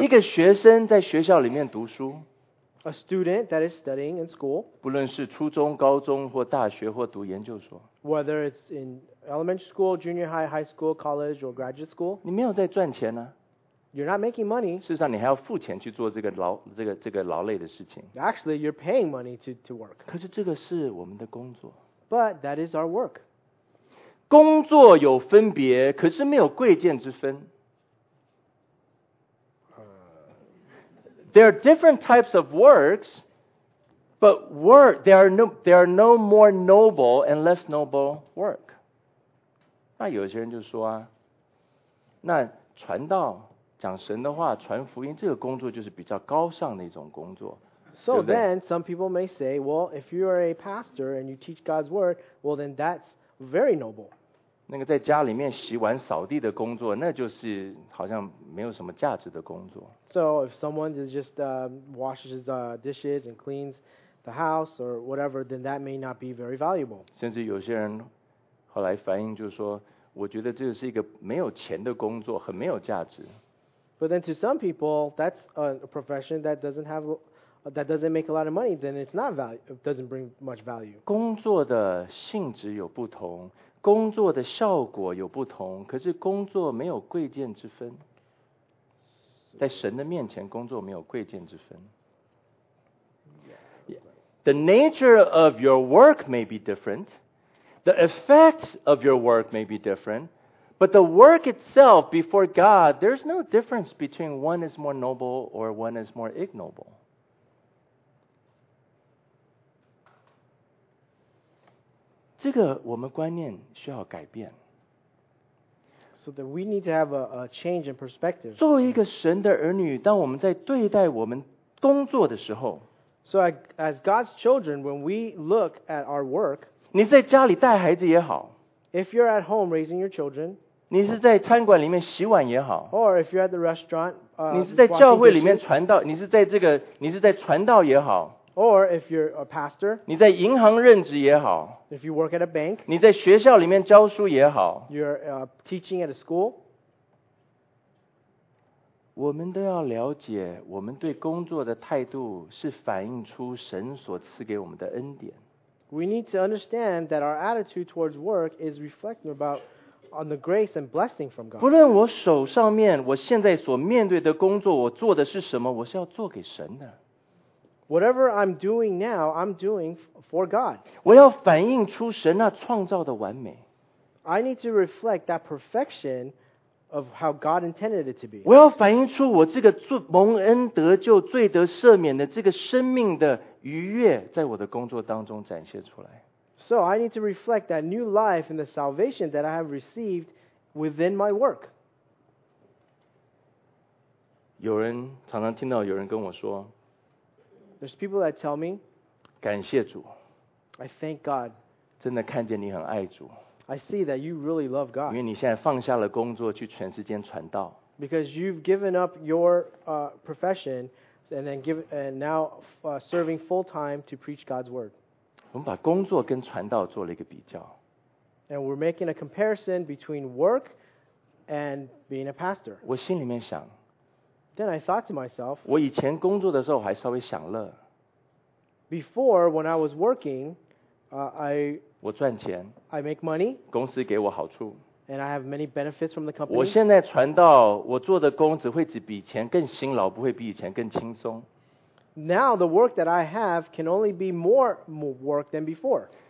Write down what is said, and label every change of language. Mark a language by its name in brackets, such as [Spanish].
[Chinese] 一个学生在学校里面读书。 [English] A student that is studying in school. [Chinese] 不论是初中、高中或大学或读研究所。 [English] Whether it's in elementary school, junior high, high school, college, or graduate school. [Chinese] 你没有在赚钱呢。 [English] You're not making money. [Chinese] 事实上，你还要付钱去做这个劳累的事情。 [English] Actually, you're paying money to work. [Chinese] 可是这个是我们的工作。 [English] But that is our work. [Chinese] 工作有分别，可是没有贵贱之分。 [English] There are different types of works, but work, there are no more noble and less noble work. [Chinese] 那有些人就说啊，那传道讲神的话，传福音，这个工作就是比较高尚的一种工作。 [English] So [Chinese] 对不对？ [English] Then some people may say, well, if you are a pastor and you teach God's word, well, then that's very noble. [Chinese] 那个在家里面洗碗扫地的工作，那就是好像没有什么价值的工作。 [English] So if someone is just washes dishes and cleans the house or whatever, then that may not be very valuable. [Chinese] 甚至有些人后来反映就是说，我觉得这是一个没有钱的工作，很没有价值。 [English] But then to some people, that's a profession that doesn't make a lot of money. Then it's not value, doesn't bring much value. [Chinese] 工作的性质有不同，工作的效果有不同，可是工作没有贵贱之分。在神的面前，工作没有贵贱之分。 [English] The nature of your work may be different. The effects of your work may be different. But the work itself before God, there's no difference between one is more noble or one is more ignoble. [Chinese] 这个我们观念需要改变。 [English] So that we need to have a change in perspective. [Chinese] 作为一个神的儿女，当我们在对待我们工作的时候 [English] ，So as God's children, when we look at our work, [Chinese] 你在家里带孩子也好 [English] ，If you're at home raising your children, [Chinese] 你是在餐馆里面洗碗也好 [English] ，Or if you're at the restaurant, [Chinese] 你是在教会里面传道，你是在这个，你是在传道也好。 [English] Or if you're a pastor, [Chinese] 你在银行任职也好 [English] if you work at a bank, [Chinese] 你在学校里面教书也好 [English] you're teaching at a school, [Chinese] 我们都要了解我们对工作的态度是反映出神所赐给我们的恩典。 [English] We need to understand that our attitude towards work is reflecting about on the grace and blessing from God. [Chinese] 不论我手上面我现在所面对的工作我做的是什么我是要做给神的。 [English] Whatever I'm doing now, I'm doing for God. [Chinese] 我要反映出神那创造的完美。 [English] I need to reflect that perfection of how God intended it to be. [Chinese] 我要反映出我这个蒙恩得救、罪得赦免的这个生命的愉悦，在我的工作当中展现出来。 [English] So I need to reflect that new life and the salvation that I have received within my work. [Chinese] 有人常常听到有人跟我说 [English] There's people that tell me, [Chinese] 感谢主 [English] I thank God. [Chinese] 真的看见你很爱主 [English] I see that you really love God. [Chinese] 因为你现在放下了工作去全世界传道 [English] Because you've given up your profession and then now serving full time to preach God's word. [Chinese] 我们把工作跟传道做了一个比较 [English] And we're making a comparison between work and being a pastor. [Chinese] 我心里面想 [English] Then I thought to myself, [Chinese] 我以前工作的时候还稍微享乐。 [English] Before, when I was working, [Chinese] 我赚钱。 [English] I make money. [Chinese] 公司给我好处。 [English] And I have many benefits from the company. [Chinese] 我现在传道，我做的工只会比以前更辛劳，不会比以前更轻松。 [English] Now the work that I have can only be more work than before.